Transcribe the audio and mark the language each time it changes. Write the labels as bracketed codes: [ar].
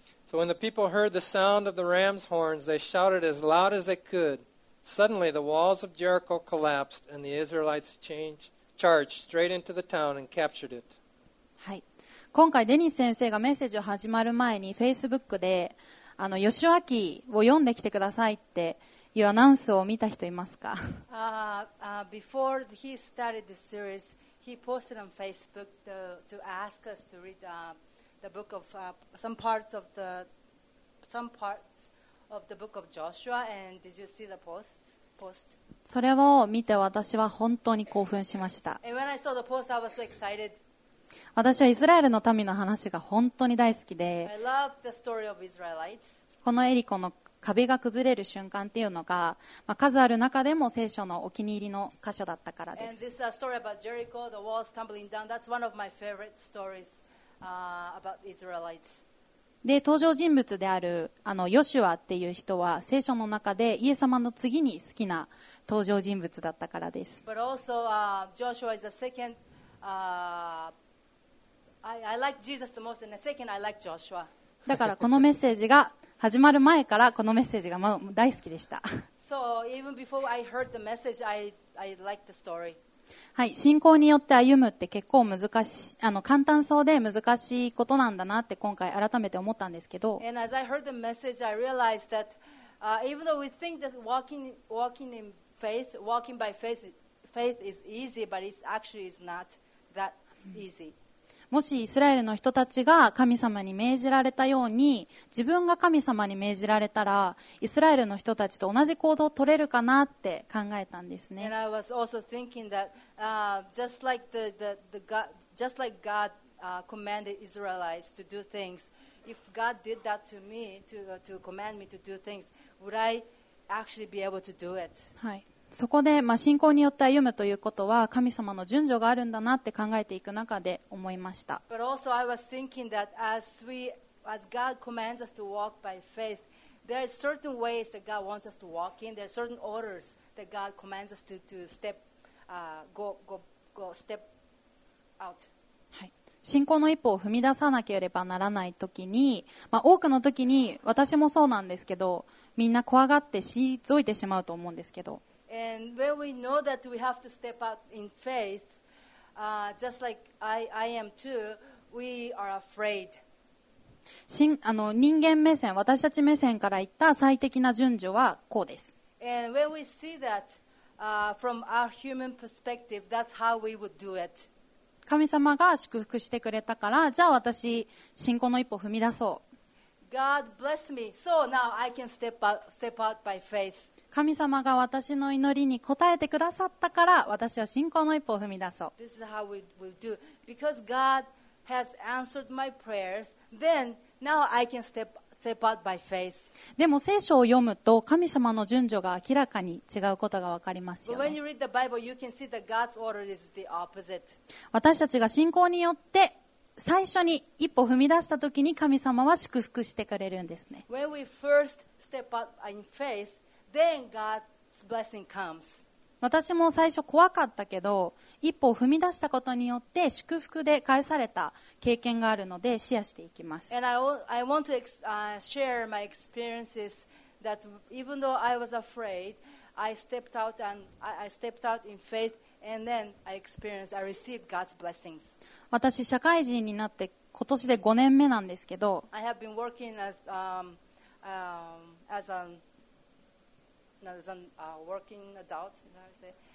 [en] So when the people heard the sound of the ram's horns, they shouted as loud as they could. Suddenly the walls of Jericho collapsed and the Israelites charged straight into the town and captured it. [ja] はい。今回デニス先生がメッセージを始まる前に Facebook で、ヨシュア記を読んできてくださいっていうアナウンスを見た人いますか? [en] Before he started the series, he posted on Facebook to ask us to read the book of some parts of the book of Joshua and did you see the post? [ja] それを見て私は本当に興奮しました。 [en] And when I saw the post, I was so excited. [ja] 私はイスラエルの民の話が本当に大好きで、 [en] I love the story of Israelites. [ja] このエリコの壁が崩れる瞬間っていうのが、数ある中でも聖書のお気に入りの箇所だったからです。 [en] And this is a story about Jericho, the walls tumbling down. That's one of my favorite stories. About Israelites. [ja] で登場人物であるあのヨシュアっていう人は聖書の中でイエス様の次に好きな登場人物だったからです。 [en] But also, Joshua is the second, I like Jesus the most, and the second I like Joshua. [ja] だからこのメッセージが始まる前からこのメッセージが大好きでした。 [en] So even before I heard the message, I liked the story. [ja] はい、信仰によって歩むって結構難しい、あの簡単そうで難しいことなんだなって今回改めて思ったんですけど、 [en] message, that, walking faith is easy, [ja] もしイスラエルの人たちが神様に命じられたように自分が神様に命じられたらイスラエルの人たちと同じ行動を取れるかなって考えたんですね。 [en] And I was also thinking that,just like the God, just like God, commanded Israelites to do things, if God did that to me, to command me to do things, would I actually be able to do it? [ja] はい、そこで、まあ、信仰によって歩むということは神様の順序があるんだなって考えていく中で思いました。 [en] But also I was thinking that as God commands us to walk by faith, there are certain ways that God wants us to walk in. There are certain orders that God commands us to step. Step out. [ja] はい、信仰の一歩を踏み出さなければならないときに、まあ、多くのときに私もそうなんですけどみんな怖がって退いてしまうと思うんですけど、 [en] And when we know that we have to step out in faith, just like I am too, we are afraid. [ja] 人間目線、私たち目線から言った最適な順序はこうです。 [en] And when we see thatfrom our human perspective, that's how we would do it. [ja] 神様が祝福してくれたから、じゃあ私信仰の一歩踏み出そう。 [en] God bless me, so now I can step out by faith. [ja] 神様が私の祈りに応えてくださったから、私は信仰の一歩を踏み出そう。 [en] This is how we do. Because God has answered my prayers, then now I can step out by faith. [ja] でも聖書を読むと神様の順序が明らかに違うことが分かりますよね。 [en] But when you read the Bible, you can see that God's order is the opposite. [ja] 私たちが信仰によって最初に一歩踏み出したときに神様は祝福してくれるんですね。 [en] When we first step out in faith, then God's blessing comes. [ja] 私も最初怖かったけど一歩踏み出したことによって祝福で返された経験があるのでシェアしていきます。 [en] And I want to share my experiences that even though I was afraid, I stepped out in faith and then I received God's blessings. [ja] 私社会人になって今年で5年目なんですけど、 [en] I have been working working adult, you know what I say?